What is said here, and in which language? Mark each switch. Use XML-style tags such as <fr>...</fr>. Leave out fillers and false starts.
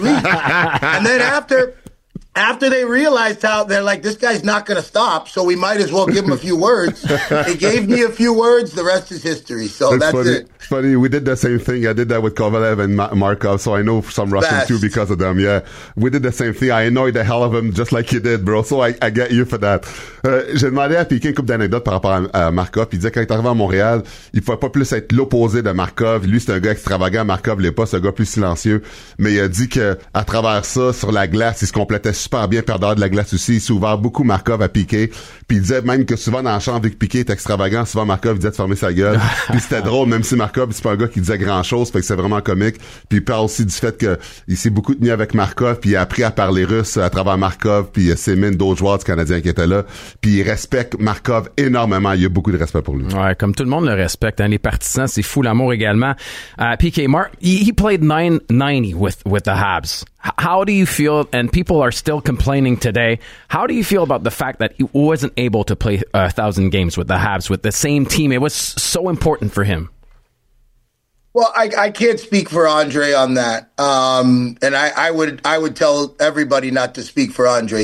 <en>And then after they realized how, they're like, this guy's not going to stop, so we might as well give him a few words. They gave me a few words. The rest is history. So that's funny. It. Funny. We did the same thing. I did that with Kovalev and Markov, so I know some Russian too because of them. Yeah, we did the same thing. I annoyed the hell of him just like you did, bro. So I get you for that.</en> <fr>J'ai demandé à Piquet une couple d'anecdotes par rapport à Markov. Il disait quand il est arrivé à Montréal, il ne pouvait pas plus être l'opposé de Markov. Lui, c'est un gars extravagant. Markov l'est pas. C'est un gars plus silencieux. Mais il a dit que à travers ça, sur la glace, il se complétait super bien, perdant de la glace aussi. Il s'ouvre beaucoup Markov à Piqué. Puis il disait même que souvent dans la chambre, vu que Piqué est extravagant, souvent Markov disait de fermer sa gueule. Puis c'était drôle, même si Markov, c'est pas un gars qui disait grand chose, fait que c'est vraiment comique. Puis il parle aussi du fait que il s'est beaucoup tenu avec Markov, puis il a appris à parler russe à travers Markov, puis Semin, d'autres joueurs du Canadien qui étaient là. Puis il respecte Markov énormément. Il a beaucoup de respect pour lui. Ouais, comme tout le monde le respecte, hein, les partisans, c'est fou l'amour également.</fr> <en>Piqué, Mark, he played 990 with the Habs. How do you feel, and people are still complaining today, how do you feel about the fact that he wasn't able to play 1,000 games with the Habs, with the same team? It was so important for him. Well, I can't speak for Andre on that. And I would tell everybody not to speak for Andre.</en>